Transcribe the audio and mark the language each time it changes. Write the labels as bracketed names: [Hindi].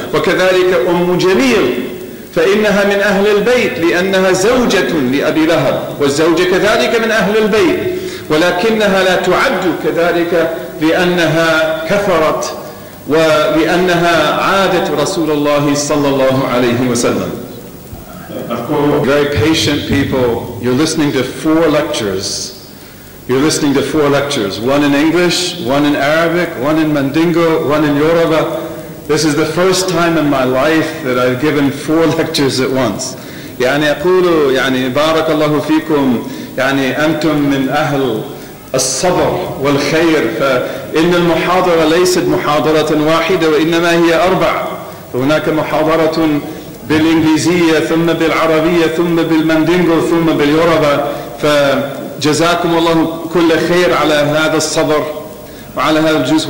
[Arabic] وكذلك أم جميل فإنها من أهل البيت لأنها زوجة لأبي لهب، والزوجة كذلك من أهل البيت، ولكنها لا تعد كذلك لأنها كفرت ولأنها عادت رسول الله صلى الله عليه وسلم. [English] Very patient people, you're listening to four lectures. You're listening to four lectures, one in English, one in Arabic, one in Mandingo, one in Yoruba. This is the first time in my life that I've given four lectures at once. [Arabic] يعني أقول يعني بارك الله فيكم يعني أنتم من أهل الصبر والخير، فإن المحاضرة ليست محاضرة واحدة وإنما هي أربع. هناك محاضرة بالإنجليزية ثم بالعربية ثم بالمندينغو ثم باليوروبا، فجزاكم الله كل خير على هذا الصبر وعلى هذا الجزء.